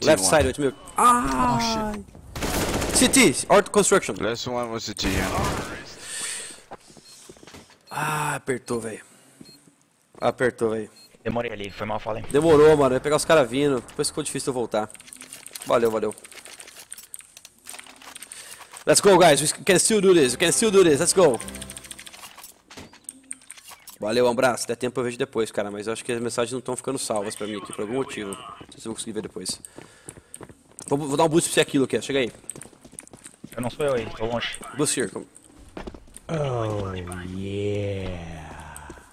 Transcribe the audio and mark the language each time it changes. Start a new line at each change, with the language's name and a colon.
English: Left side, White Milk. Ah! Oh, shit. CT, Art Construction. Last one was CT, yeah.
Portuguese: Ah, apertou, velho. Apertou, velho. Demorei ali, foi mal falei. Demorou, mano. Eu ia pegar os caras vindo. Depois ficou difícil de eu voltar. Valeu, valeu.
English: Let's go, guys. We can still do this. We can still do this. Let's go.
Portuguese: Valeu, um abraço. Se der tempo eu vejo depois, cara. Mas eu acho que as mensagens não estão ficando salvas pra mim aqui, por algum motivo. Não sei se eu vou conseguir ver depois. Vou dar um boost pra você aqui, Luque. Chega aí. Eu não sou eu aí, tô longe.
English: Boost here. Come. Oh, yeah.